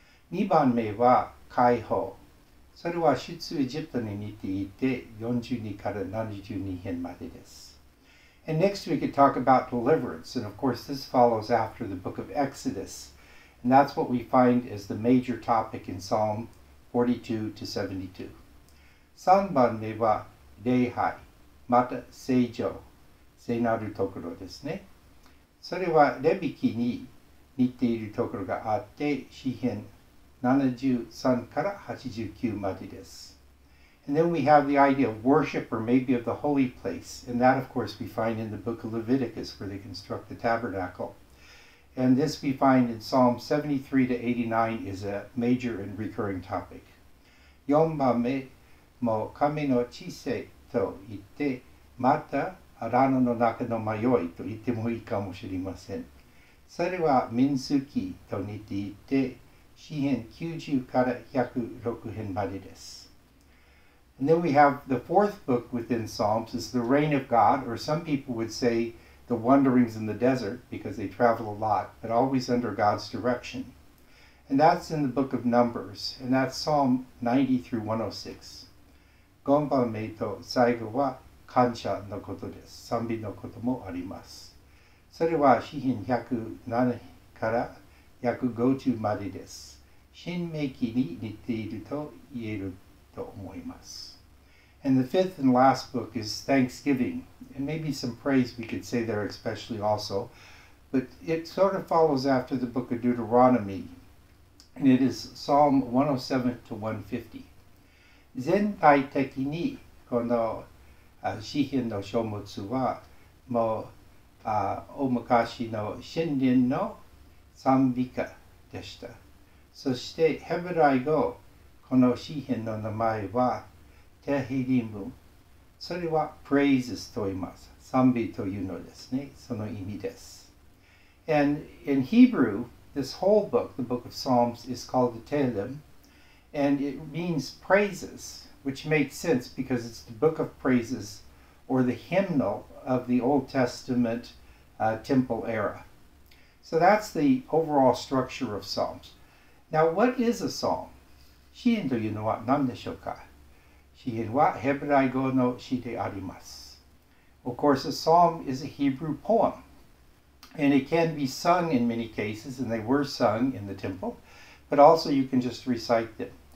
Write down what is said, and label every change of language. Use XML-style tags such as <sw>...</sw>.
<ja>2番目は解放。それは出エジプトに似ていて42から72編までです。</ja> <en>And next we could talk about deliverance. And of course this follows after the book of Exodus. And that's what we find as the major topic in Psalm 42 to 72.</en> <ja>3番目は礼拝また聖城聖なるところですね。それはレビ記に似ているところがあって詩編 73から89までです。</ja> <en>And then we have the idea of worship or maybe of the holy place. And that, of course, we find in the book of Leviticus where they construct the tabernacle. And this we find in Psalm 73 to 89 is a major and recurring topic.</en> <ja>4番目も神の知性と言ってまた荒野の中の迷いと言ってもいいかもしれません。それは民数記と似ていて詩編90から106編までです。</ja> <en>And then we have the fourth book within Psalms is the reign of God, or some people would say the wanderings in the desert because they travel a lot, but always under God's direction. And that's in the book of Numbers, and that's Psalm 90 through 106.</en> <ja>5番目と最後は感謝のことです。賛美のこともあります。それは詩編107から150までです。新命記に似ていると言えると思います。</ja> <en>And the fifth and last book is Thanksgiving, and maybe some praise we could say there especially also, but it sort of follows after the book of Deuteronomy, and it is Psalm 107 to 150.</en> <ja>全体的にこの詩編の書物はもう昔の神殿の賛美歌でした。そしてヘブライ語、この詩編の名前はテヒリム。それは praises と言います。賛美というのですね。その意味です。</ja> <en>And in Hebrew, this whole book, the book of Psalms, is called the Tehillim, and it means praises. Which makes sense because it's the book of praises or the hymnal of the Old Testament temple era. So that's the overall structure of Psalms. Now, what is a psalm?</en> <ja>詩編というのは何でしょうか？詩編はヘブライ語の詩であります。</ja> <en>Of course, a psalm is a Hebrew poem, and it can be sung in many cases, and they were sung in the temple, but also you can just recite them.</en>